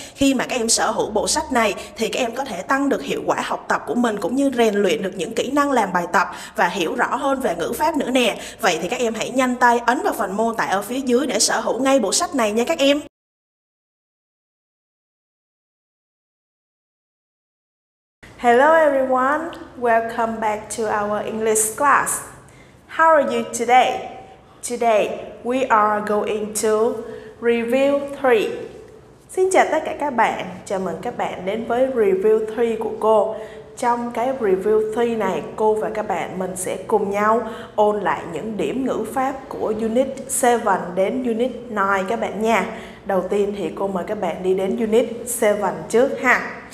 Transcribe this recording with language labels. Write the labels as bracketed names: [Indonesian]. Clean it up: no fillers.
[Vietnamese] Khi mà các em sở hữu bộ sách này thì các em có thể tăng được hiệu quả học tập của mình cũng như rèn luyện được những kỹ năng làm bài tập và hiểu rõ hơn về ngữ pháp nữa nè. Vậy thì các em hãy nhanh tay ấn vào phần mô tả ở phía dưới để sở hữu ngay bộ sách này nha các em. [English] Hello everyone, welcome back to our English class. How are you today? Today we are going to review 3. [Vietnamese] Xin chào tất cả các bạn, chào mừng các bạn đến với review 3 của cô. Trong cái review 3 này, cô và các bạn mình sẽ cùng nhau ôn lại những điểm ngữ pháp của Unit 7 đến Unit 9 các bạn nha. Đầu tiên thì cô mời các bạn đi đến Unit 7 trước ha.